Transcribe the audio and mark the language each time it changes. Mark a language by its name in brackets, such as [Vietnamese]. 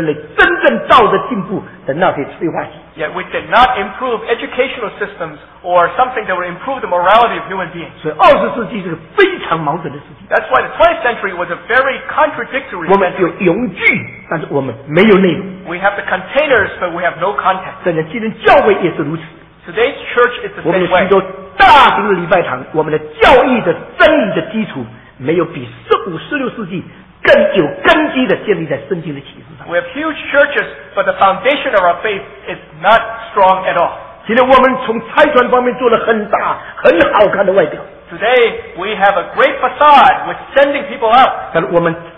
[Chinese] 但是20世纪没有产生了更好的教育的制度，同时人类真正道德进步的那些催化剂。 [English] Yet we did not improve educational systems or something that would improve the morality of human beings. [Chinese] 所以20世纪是个非常矛盾的世纪。 [English] That's why the 20th century was a very contradictory century. [Chinese] 我们有容具，但是我们没有内容。 [English] We have the containers, but we have no content. [Chinese] 真的，今天教会也是如此。 [English] Today's church is the same way. [Chinese] 我们有许多大型的礼拜堂，我们的教义的真理的基础没有比15、16世纪。更有根基的建立在圣经的启示上。 [English] We have huge churches, but the foundation of our faith is not strong at all. [Chinese] 今天我们从拆船方面做了很大、很好看的外表。 [English] Today, we have a great facade with sending people out.